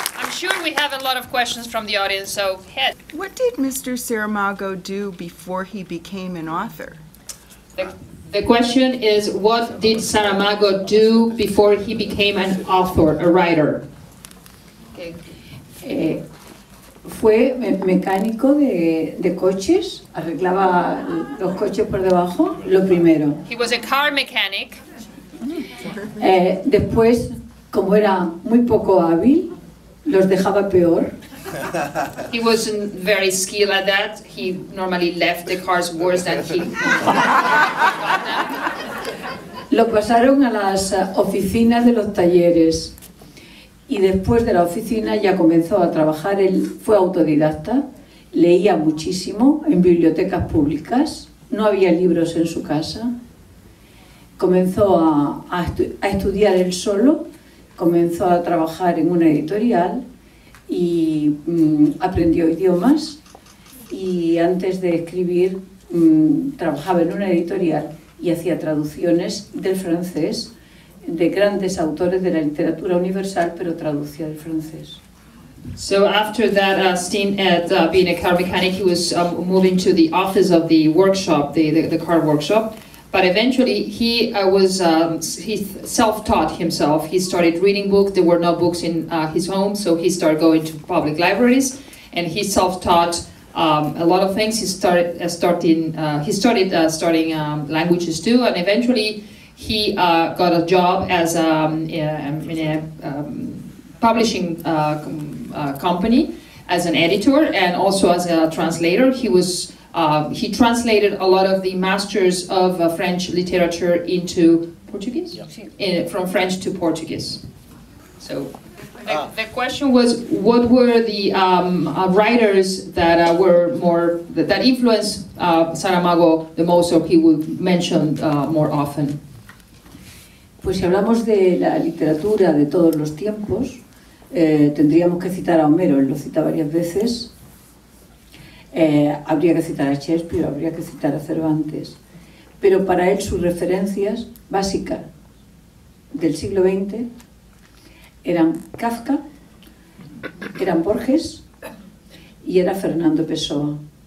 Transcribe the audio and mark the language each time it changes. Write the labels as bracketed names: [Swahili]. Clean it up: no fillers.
[English] Sure, we have a lot of questions from the audience, so head. What did Mr. Saramago do before he became an author? The question is, what did Saramago do before he became an author, a writer? Okay. [Spanish] Fue mecánico de coches, arreglaba los coches por debajo, lo primero. [English] He was a car mechanic. [Spanish] Después, como era muy poco hábil, los dejaba peor. [English] He wasn't very skilled at that. He normally left the cars worse than he. [Spanish] Lo pasaron a las oficinas de los talleres. Y después de la oficina ya comenzó a trabajar. Él fue autodidacta. Leía muchísimo en bibliotecas públicas. No había libros en su casa. Comenzó a estudiar él solo. Comenzó a trabajar en una editorial y aprendió idiomas, y antes de escribir trabajaba en una editorial y hacía traducciones del francés de grandes autores de la literatura universal, pero traducía del francés. [English] So after that stint at being a car mechanic, he was moving to the office of the workshop, the car workshop. But eventually, he was he self-taught himself. He started reading books. There were no books in his home, so he started going to public libraries, and he self-taught a lot of things. He started languages too, and eventually, he got a job as in a publishing company as an editor and also as a translator. He translated a lot of the masters of French literature into Portuguese, yeah. From French to Portuguese. So the question was, what were the writers that were more that influenced Saramago the most, or he would mention more often? [Spanish] Pues si hablamos de la literatura de todos los tiempos, tendríamos que citar a Homero, él lo cita varias veces. Habría que citar a Shakespeare, habría que citar a Cervantes. Pero para él sus referencias básicas del siglo XX eran Kafka, eran Borges y era Fernando Pessoa.